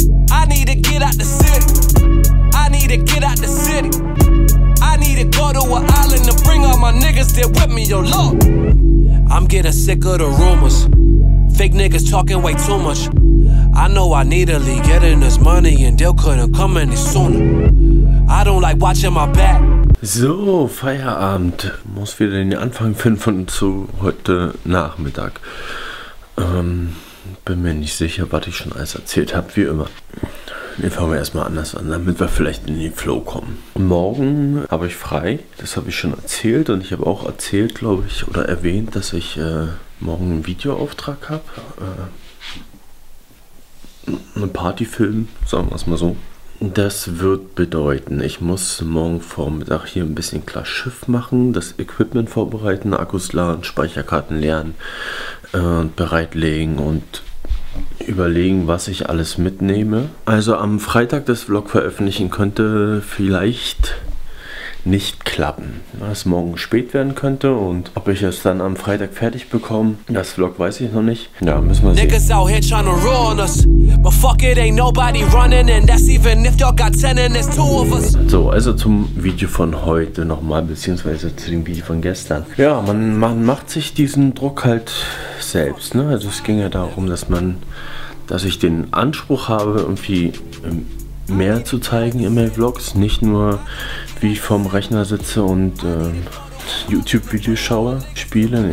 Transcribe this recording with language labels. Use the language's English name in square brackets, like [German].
[English] I need to get out the city. To get out the city, I need to go to an island to bring all my niggas there with me. Yo, look, I'm getting sick of the rumors. Fake niggas talking way too much. I know I need to leave getting this money, and they couldn't come any sooner. I don't like watching my back. [German] So, Feierabend. Muss wieder den Anfang finden zu heute Nachmittag. Bin mir nicht sicher, was ich schon alles erzählt habe, wie immer. Dann fangen wir erstmal anders an, damit wir vielleicht in den Flow kommen. Morgen habe ich frei, das habe ich schon erzählt und ich habe auch erzählt, glaube ich, oder erwähnt, dass ich morgen einen Videoauftrag habe. Einen Partyfilm, sagen wir es mal so. Das wird bedeuten, ich muss morgen Vormittag hier ein bisschen klar Schiff machen, das Equipment vorbereiten, Akkus laden, Speicherkarten leeren und bereitlegen und überlegen, was ich alles mitnehme. Also am Freitag das Vlog veröffentlichen könnte vielleicht nicht klappen, was morgen spät werden könnte und ob ich es dann am Freitag fertig bekomme, das Vlog weiß ich noch nicht. Ja, müssen wir sehen. [English] Niggas out here tryna ruin us, but fuck it, ain't nobody running, and that's even if y'all got 10 and there's two of us. [German] So, also zum Video von heute nochmal, beziehungsweise zu dem Video von gestern. Ja, man macht sich diesen Druck halt selbst, ne? Also es ging ja darum, dass ich den Anspruch habe, irgendwie mehr zu zeigen in meinen Vlogs, nicht nur wie ich vorm Rechner sitze und YouTube-Videos schaue, spiele.